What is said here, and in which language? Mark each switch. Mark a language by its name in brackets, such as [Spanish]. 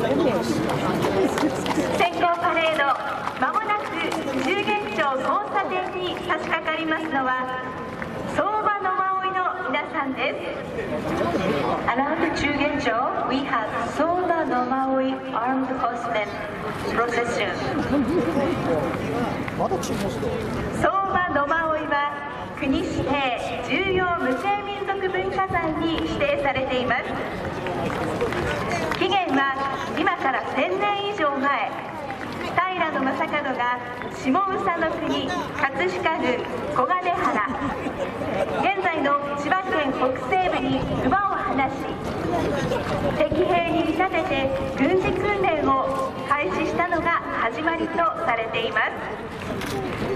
[Japanese] 先行パレード、まもなく十間町交差点に差し掛かりますのは、相場の間追いの皆さんです。 [English] Around 十間町、we have 相場の間追い armed horsemen procession。 [Japanese] まだ注文した。相場の間追いは国指定重要無形民族文化財に指定されています。起源は今から1000年以上前、平の将門が下宇佐の国葛飾郡小金原、現在の千葉県北西部に馬を放し、敵兵に見立てて軍事訓練を開始したのが始まりとされています。